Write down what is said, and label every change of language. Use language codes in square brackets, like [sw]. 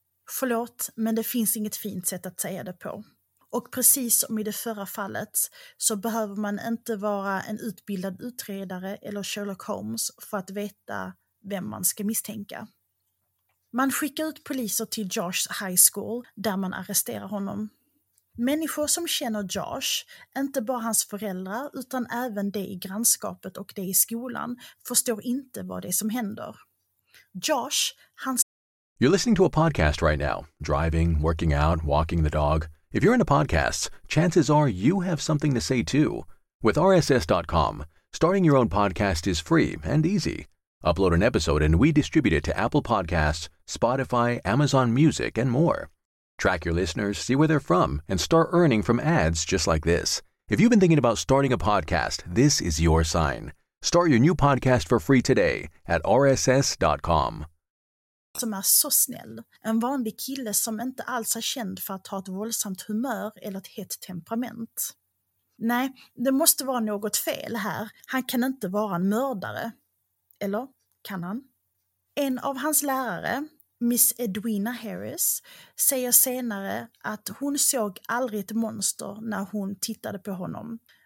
[sv] Förlåt, men det finns inget fint sätt att säga det på. Och precis som i det förra fallet så behöver man inte vara en utbildad utredare eller Sherlock Holmes för att veta vem man ska misstänka. Man skickar ut poliser till Josh High School där man arresterar honom. Människor som känner Josh, inte bara hans föräldrar utan även det i grannskapet och det i skolan, förstår inte vad det är som händer. Josh, hans... [en] You're listening to a podcast right now. Driving, working out, walking the dog. If you're into podcasts, chances are you have something to say too. With RSS.com, starting your own podcast is free and easy. Upload an episode and we distribute it to Apple Podcasts, Spotify, Amazon Music, and more. Track your listeners, see where they're from, and start earning from ads just like this. If you've been thinking about starting a podcast, this is your sign. Start your new podcast for free today at RSS.com. [sv] Som är så snäll. En vanlig kille som inte alls är känd för att ha ett våldsamt humör eller ett hett temperament. Nej, det måste vara något fel här. Han kan inte vara en mördare. Eller kan han? En av hans lärare, Miss Edwina Harris, säger senare att hon såg aldrig ett monster när hon tittade på honom.